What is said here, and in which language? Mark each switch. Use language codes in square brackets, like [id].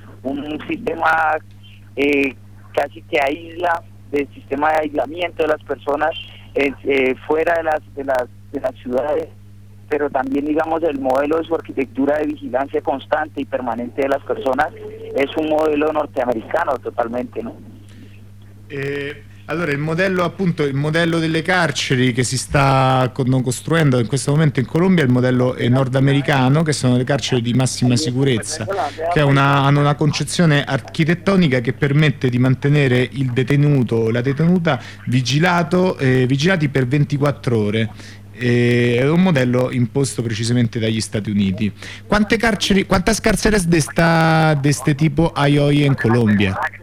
[es] Un sistema casi que aísla, del sistema de aislamiento de las personas fuera de las ciudades. Pero también, digamos, el modelo de su arquitectura de vigilancia constante y permanente de las personas es un modelo norteamericano totalmente, ¿no? [it] Allora, il modello delle carceri che si sta costruendo in questo momento in Colombia, il modello è nordamericano, che sono le carceri di massima sicurezza, che hanno una concezione architettonica che permette di mantenere il detenuto o la detenuta vigilati per 24 ore. È un modello imposto precisamente dagli Stati Uniti. Quante carceri de este tipo hay hoy en Colombia?